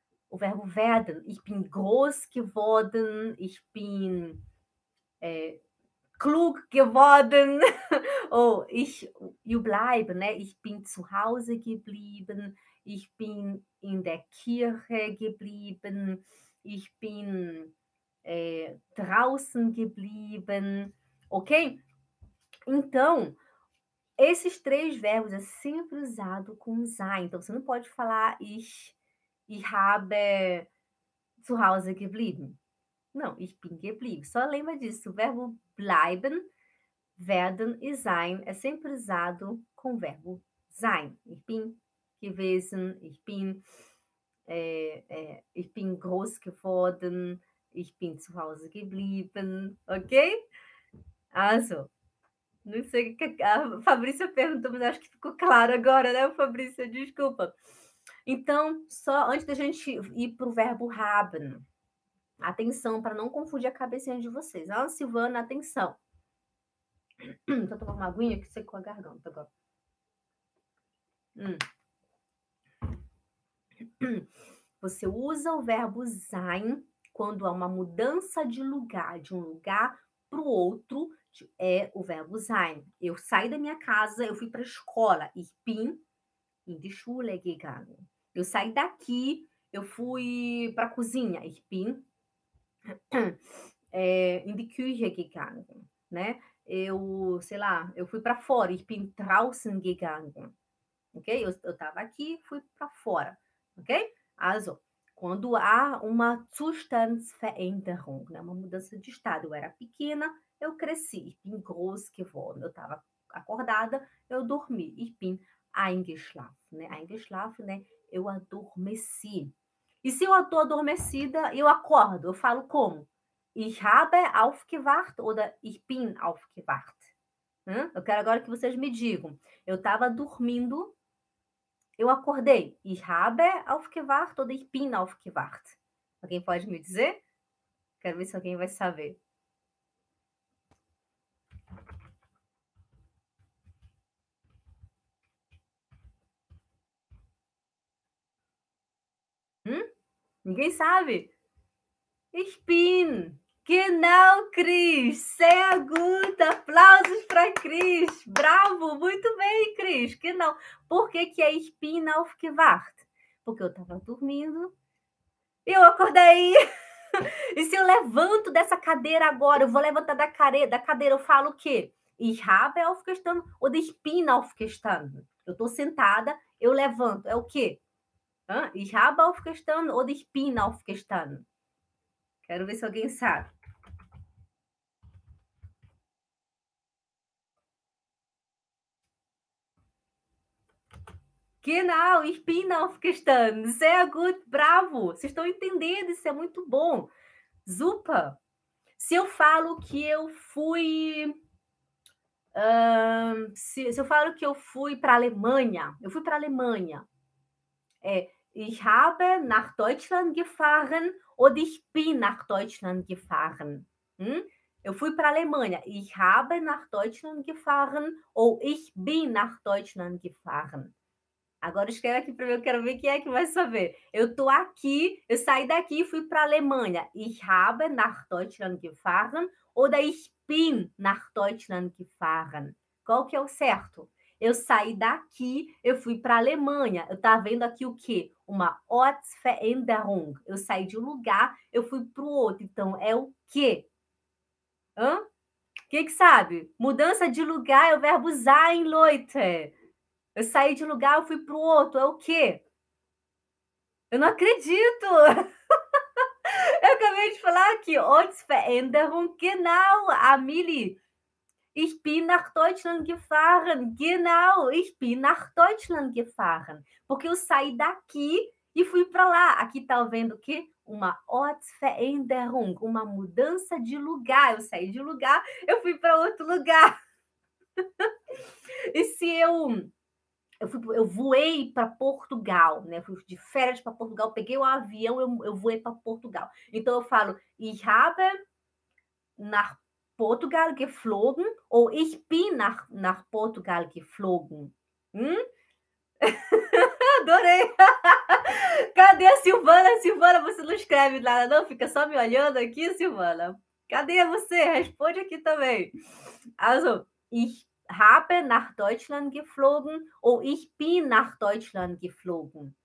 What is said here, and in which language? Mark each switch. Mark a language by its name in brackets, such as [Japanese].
[Portuguese] O verbo [German] werden, ich bin groß geworden, ich bin klug geworden. [English] Oh, you [German] bleiben, [Portuguese] né? [German] Ich bin zu Hause geblieben, ich bin in der Kirche geblieben. Ich bin draußen geblieben, ok? [Portuguese] Então, esses três verbos é sempre usado com sein. Então, você não pode falar [German] ich habe zu Hause geblieben. [Portuguese] Não, [German] ich bin geblieben. [Portuguese] Só lembra disso. O verbo bleiben, werden e sein é sempre usado com o verbo sein. [German] Ich bin gewesen, ich bin. Ich bin groß geworden, ich bin zu Hause geblieben, ok? Also, [Portuguese] não sei o que a Fabrícia perguntou, mas acho que ficou claro agora, né, Fabrícia? Desculpa. Então, só antes da gente ir para o verbo haben, atenção para não confundir a cabecinha de vocês. Ah, Silvana, atenção. Tô tomando uma aguinha que secou a garganta agora. Você usa o verbo sein quando há uma mudança de lugar, de um lugar para o outro, é o verbo sein. Eu saí da minha casa, eu fui para a escola. [German] Ich bin in die Schule gegangen. [Portuguese] Eu saí daqui, eu fui para a cozinha. [German] Ich bin in die Küche gegangen. [Portuguese] Né? Eu, sei lá, eu fui para fora. [German] Ich bin draußen gegangen. Okay? [Portuguese] Eu estava aqui, fui para fora. Ok? [German] Also, [Portuguese] quando há uma Zustandsveränderung, né? Uma mudança de estado. Eu era pequena, eu cresci. [German] Ich bin groß geworden. [Portuguese] Eu estava acordada, eu dormi. [German] Ich bin eingeschlafen. [Portuguese] Né? [German] Eingeschlafen, [Portuguese] né? Eu adormeci. E se eu estou adormecida, eu acordo. Eu falo como? [German] Ich habe aufgewacht oder ich bin aufgewacht. [Portuguese] Eu quero agora que vocês me digam. Eu estava dormindo. Eu acordei. [German] Ich habe aufgewacht oder ich bin aufgewacht. [Portuguese] Alguém pode me dizer? Quero ver se alguém vai saber. Ninguém sabe? [German] Ich bin. [Portuguese] Que não, Cris. [German] Sehr gut. [Portuguese] Aplausos para Cris. Bravo. Muito bem, Cris. Que não. Por que que é [German] ich bin aufgewacht? [Portuguese] Porque eu estava dormindo. Eu acordei. E se eu levanto dessa cadeira agora? Eu vou levantar da cadeira. Eu falo o quê? [German] Ich habe aufgestanden oder ich bin aufgestanden. [Portuguese] Eu estou sentada. Eu levanto. É o quê? [German] Ich habe aufgestanden oder ich bin aufgestanden. [Portuguese] Quero ver se alguém sabe. [German] Genau, ich bin aufgestanden. Sehr gut, bravo. [Portuguese] Vocês estão entendendo? Isso é muito bom. Super. Se eu falo que eu fui. Se eu falo que eu fui para a Alemanha. Eu fui para a Alemanha. [German] Ich habe nach Deutschland gefahren oder ich bin nach Deutschland gefahren. [Portuguese] Eu fui para a Alemanha. [German] Ich habe nach Deutschland gefahren [Portuguese] ou [German] ich bin nach Deutschland gefahren. [Portuguese] Agora escreve aqui para mim, eu quero ver quem é que vai saber. Eu estou aqui, eu saí daqui e fui para a Alemanha. Ich habe nach Deutschland gefahren oder ich bin nach Deutschland gefahren. Qual que é o certo? Eu saí daqui, eu fui para a Alemanha. Eu estava vendo aqui o quê? Uma Ortsveränderung. Eu saí de um lugar, eu fui para o outro. Então, é o quê? Hã? Que sabe? Mudança de lugar é o verbo sein, [German] Leute. [Portuguese] Eu saí de um lugar, eu fui para o outro. É o quê? Eu não acredito. Eu acabei de falar aqui. [German] Ortsveränderung, genau, Amelie. Ich bin nach Deutschland gefahren. Genau, ich bin nach Deutschland gefahren. [Portuguese] Porque eu saí daqui e fui para lá. Aqui tá vendo o quê? Uma Ortsveränderung, uma mudança de lugar. Eu saí de lugar, eu fui para outro lugar. E se eu voei para Portugal, né? Fui de férias para Portugal, peguei o avião, eu voei para Portugal. Então eu falo, [German] ich habe nach Portugal geflogen [Portuguese] ou [German] ich bin nach Portugal geflogen? [Portuguese] Adorei! Cadê a Silvana? Silvana, você não escreve nada, não? Fica só me olhando aqui, Silvana. Cadê você? Responde aqui também. [German] Also, ich habe nach Deutschland geflogen [Portuguese] ou [German] ich bin nach Deutschland geflogen?